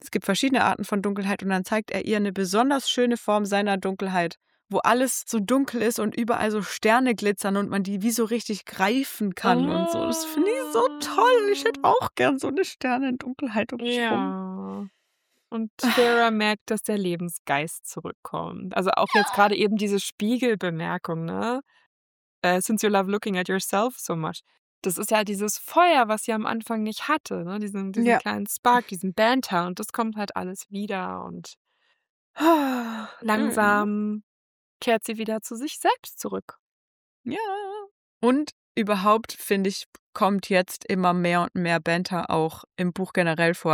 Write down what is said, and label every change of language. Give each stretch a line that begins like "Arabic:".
German: Es gibt verschiedene Arten von Dunkelheit und dann zeigt er ihr eine besonders schöne Form seiner Dunkelheit, wo alles so dunkel ist und überall so Sterne glitzern und man die wie so richtig greifen kann und so. Das finde ich so toll. Ich hätte auch gern so eine Sternendunkelheit um mich rum. Und Feyre merkt, dass der Lebensgeist zurückkommt. Also auch jetzt gerade eben diese Spiegelbemerkung, ne?
English: Since you love looking at yourself so much.
German: Das ist ja dieses Feuer, was sie am Anfang nicht hatte, ne? Diesen kleinen Spark, diesen Banter. Und das kommt halt alles wieder. Und langsam kehrt sie wieder zu sich selbst zurück. Ja. Und überhaupt, finde ich, kommt jetzt immer mehr und mehr Banter auch im Buch generell vor.